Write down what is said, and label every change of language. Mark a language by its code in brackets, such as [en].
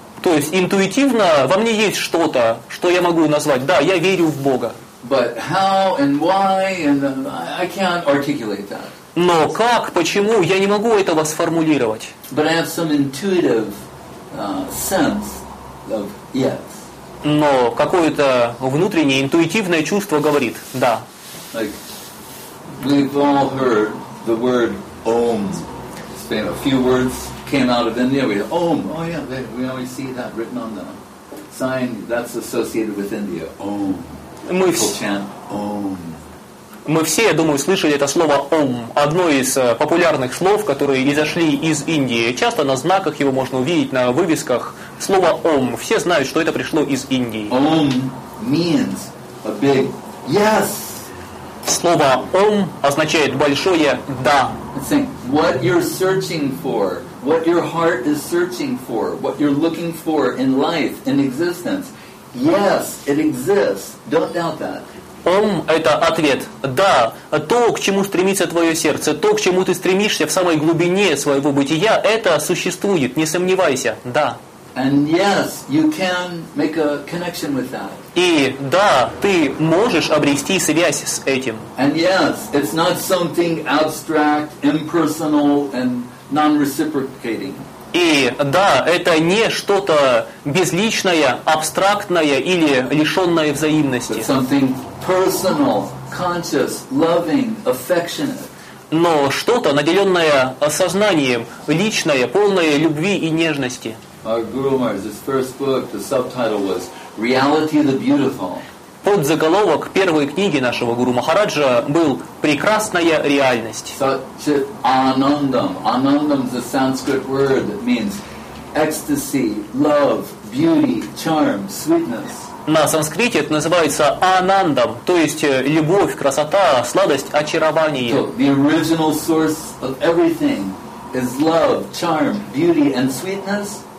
[ru] То есть интуитивно во мне есть что-то, что я могу назвать. Да, я верю в Бога. [en] But how and why and I can't articulate that. [ru] Но как, почему, я не могу этого сформулировать. [en] But I have some intuitive sense of yes. [ru] Но какое-то внутреннее интуитивное чувство говорит да. [en] Like we've all heard the word Om. A few words. Came out of India. We Om. Oh yeah, we always see that written on the sign that's associated with India. Om. People chant Om. [ru] Мы все, я думаю, слышали это слово «Ом», одно из популярных слов, которые изошли из Индии. Часто на знаках его можно увидеть, на вывесках. Слово «Ом». Все знают, что это пришло из Индии. [en] Ом means a big yes. [ru] Слово «Ом» означает большое «да». [en] It's saying, what you're searching for, what your heart is searching for, what you're looking for in life, in existence. Yes, it exists. Don't doubt that. [ru] Ом – это ответ. Да, то, к чему стремится твое сердце, то, к чему ты стремишься в самой глубине своего бытия, это существует, не сомневайся. Да. [en] And yes, you can make a connection with that. [ru] И да, ты можешь обрести связь с этим. [en] And yes, it's not something abstract, impersonal, and non-reciprocating. [ru] И да, это не что-то безличное, абстрактное или лишенное взаимности. [en] But something personal, conscious, loving, affectionate. [ru] Но что-то, наделенное сознанием, личное, полное любви и нежности. [en] Our Guru Maharaj's first book, the subtitle was "Reality the Beautiful". [ru] Под заголовок первой книги нашего Гуру Махараджа был «Прекрасная реальность». [en] Satchit Anandam. Anandam is a Sanskrit word that means ecstasy, love, beauty, charm, sweetness. [ru] На санскрите это называется «Анандам», то есть любовь, красота, сладость, очарование. [en] So the original source of everything is love, charm, beauty and sweetness.